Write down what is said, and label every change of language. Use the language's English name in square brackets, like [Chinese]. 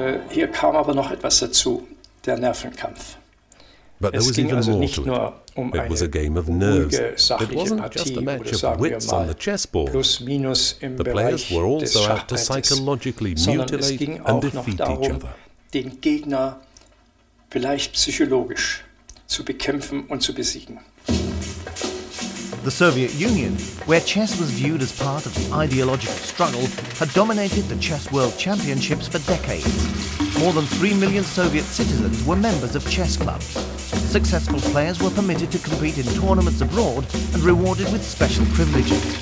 [German] Hier kam aber noch etwas dazu, der Nervenkampf. [English] But there was even more to it. It was a game of nerves. It wasn't just a match of wits on the chessboard. The players were also out to psychologically mutilate and defeat each other. [German] Den Gegner vielleicht psychologisch zu bekämpfen und zu besiegen. [English] The Soviet Union, where chess was viewed as part of the ideological struggle, had dominated the chess world championships for decades. More than 3 million Soviet citizens were members of chess clubs. Successful players were permitted to compete in tournaments abroad and rewarded with special privileges.